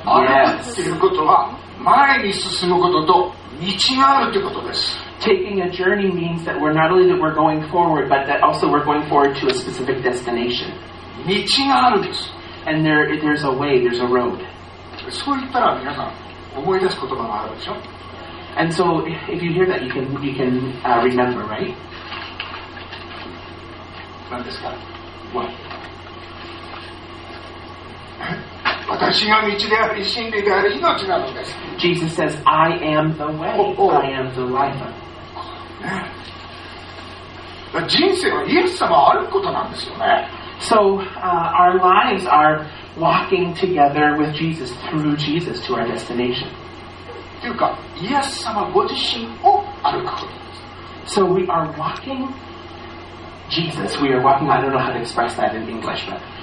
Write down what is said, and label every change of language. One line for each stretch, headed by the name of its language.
Japanese: あるっていうことは、前に進むことと道があるということです。
English: Taking a journey means that we're not only that we're going forward, but that also we're going forward to a specific destination.
Japanese: 道があるんです。
English: And there's a way, there's a road.
Japanese: そう言ったら皆さん思い出す言葉があるでしょ。
English: And so if you hear that, you can remember, right?
Japanese: 何ですか？
English: What?
Japanese: 私が道である、真理である、命なのです。
English: Jesus says, I am the way, I am the life.
Japanese: ね、人生はイエス様を歩くことなんですよね。
English: So, our lives are walking together with Jesus through Jesus to our destination.
Japanese: というか、イエス様ご自身を歩くことです。
English: So we are walking Jesus. We are walking. I don't know how to express that in English, but